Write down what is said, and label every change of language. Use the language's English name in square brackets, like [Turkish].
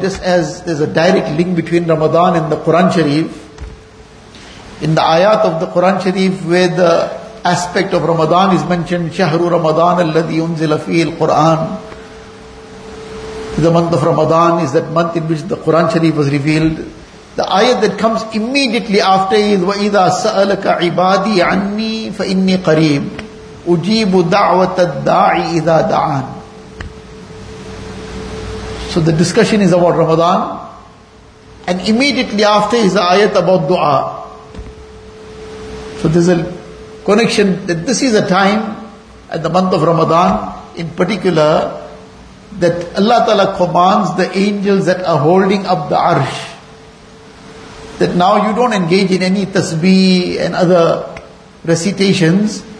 [English] Just as there's a direct link between Ramadan and the Quran Sharif, in the ayat of the Quran Sharif where the aspect of Ramadan is mentioned, [Arabic] شَهْرُ رَمَضَانَ الَّذِي أُنزِلَ فِيهِ الْقُرْآنِ. [English] The month of Ramadan is that month in which the Quran Sharif was revealed. The ayat that comes immediately after is, [Arabic] وَإِذَا سَأَلَكَ عِبَادِي عَنِّي فَإِنِّي قَرِيمٌ أُجِيبُ دَعْوَةَ الدَّاعِ إِذَا دَعَانِ. [English] So the discussion is about Ramadan. And immediately after is the ayat about dua. So there's a connection that this is a time at the month of Ramadan in particular that Allah Ta'ala commands the angels that are holding up the arsh that now you don't engage in any tasbih and other recitations.